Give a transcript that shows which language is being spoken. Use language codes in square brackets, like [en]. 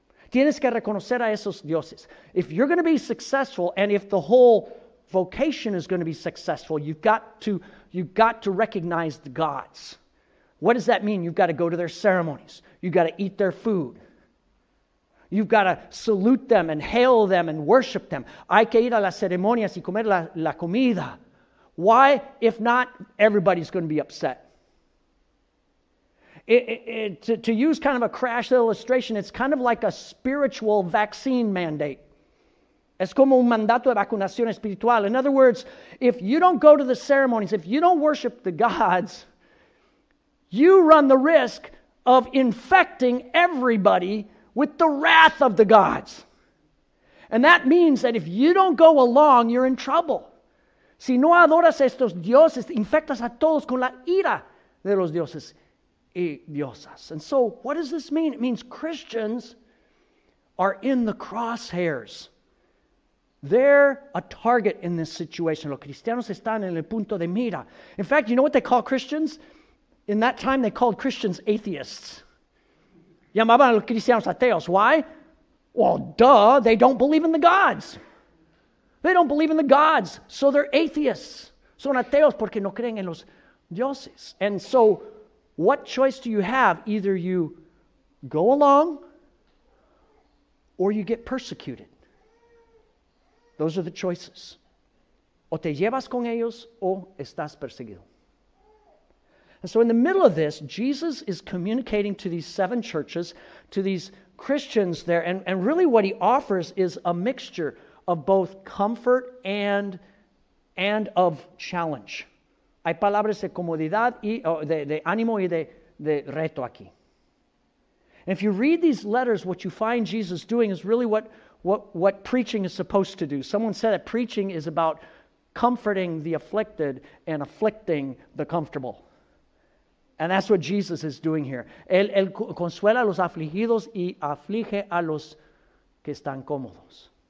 [es] Tienes que reconocer a esos dioses. [en] If you're going to be successful, and if the whole vocation is going to be successful, you've got to recognize the gods. What does that mean? You've got to go to their ceremonies. You've got to eat their food. You've got to salute them and hail them and worship them. [es] Hay que ir a las ceremonias y comer la comida. [en] Why? If not, everybody's going to be upset. To use kind of a crash illustration, it's kind of like a spiritual vaccine mandate. [es] Es como un mandato de vacunación espiritual. [en] In other words, if you don't go to the ceremonies, if you don't worship the gods, you run the risk of infecting everybody with the wrath of the gods. And that means that if you don't go along, you're in trouble. [es] Si no adoras estos dioses, infectas a todos con la ira de los dioses y diosas. [en] And so, what does this mean? It means Christians are in the crosshairs. They're a target in this situation. [es] Los cristianos están en el punto de mira. [en] In fact, you know what they call Christians? In that time, they called Christians atheists. [es] Llamaban a los cristianos ateos. [en] Why? Well, duh, they don't believe in the gods. They don't believe in the gods, so they're atheists. [es] Son ateos porque no creen en los dioses. [en] And so, what choice do you have? Either you go along or you get persecuted. Those are the choices. [es] O te llevas con ellos o estás perseguido. [en] And so in the middle of this, Jesus is communicating to these seven churches, to these Christians there, and really what he offers is a mixture of both comfort and of challenge. [es] Hay palabras de comodidad y de ánimo y de reto aquí. [en] And if you read these letters, what you find Jesus doing is really what preaching is supposed to do. Someone said that preaching is about comforting the afflicted and afflicting the comfortable. And that's what Jesus is doing here. [es] Él consuela a los afligidos y aflige a los que están cómodos.